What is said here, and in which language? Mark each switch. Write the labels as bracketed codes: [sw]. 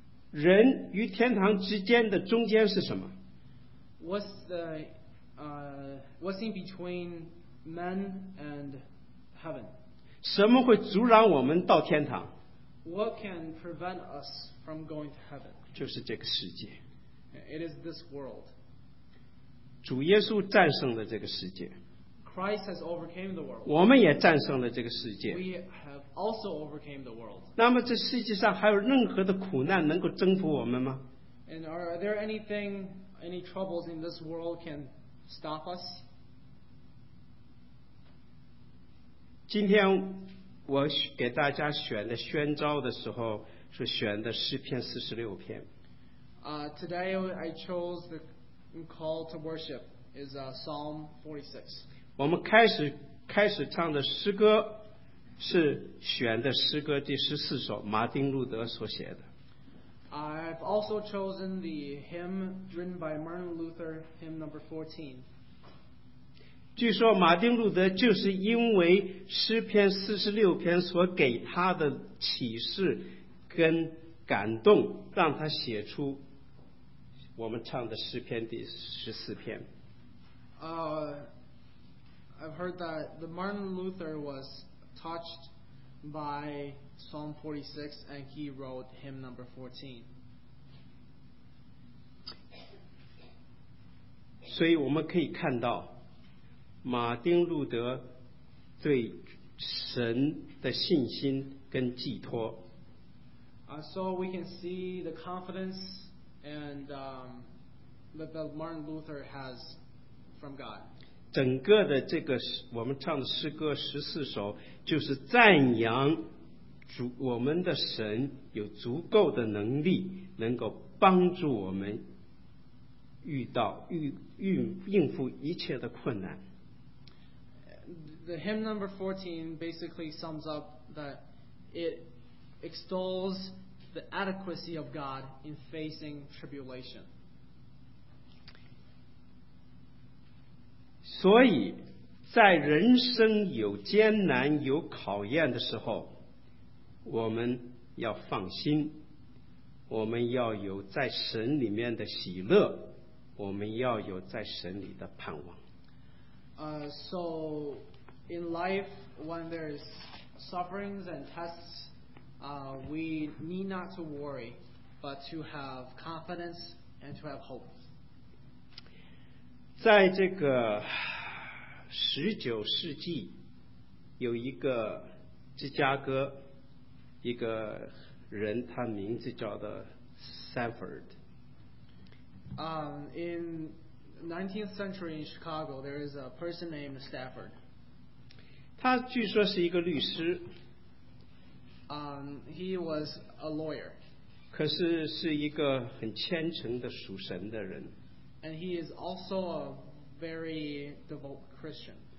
[zh] 人与天堂之间的中间是什么？ [en] What's the what's in between men and heaven? [zh] 什么会阻拦我们到天堂？ [en] What can prevent us from going to heaven? [zh] 就是这个世界。 [en] It is this world. [zh] 主耶稣战胜了这个世界。 [en] Christ has overcame the world. [zh] 我们也战胜了这个世界。 [en] We have also overcame the world. [zh] 那么这世界上还有任何的苦难能够征服我们吗？ [en] And are there anything, any troubles in this world can stop us? [zh] 今天我给大家选的宣召的时候是选的诗篇四十六篇。 [en] Today I chose the call to worship is Psalm 46. [zh] 我们开始唱的诗歌是选的诗歌第十四首，马丁路德所写的。 [en] I've also chosen the hymn written by Martin Luther, hymn number 14. [zh] 据说马丁路德就是因为诗篇四十六篇所给他的启示跟感动，让他写出我们唱的诗篇第十四篇。 [en] I've heard that the Martin Luther was touched by Psalm 46 and he wrote hymn number 14. [zh] 所以我们可以看到马丁路德对神的信心跟寄托。 [en] So we can see the confidence and that Martin Luther has from God. [zh] 整个的这个我们唱的诗歌十四首，就是赞扬主我们的神有足够的能力，能够帮助我们遇到应付一切的困难。 [en] The hymn number 14 basically sums up that it extols the adequacy of God in facing tribulation. [zh] 所以在人生有艰难有考验的时候，我们要放心，我们要有在神里面的喜乐，我们要有在神里的盼望。 [en] So in life when there's sufferings and tests, we need not to worry, but to have confidence and to have hope. [zh] 在这个十九世纪，有一个芝加哥一个人，他名字叫的 Sanford。 [en] In 19th century in Chicago, there is a person named Stafford. [zh] 他据说是一个律师。 [en] He was a lawyer. [zh] 可是是一个很虔诚的属神的人。 [en] And he is also a very devout Christian.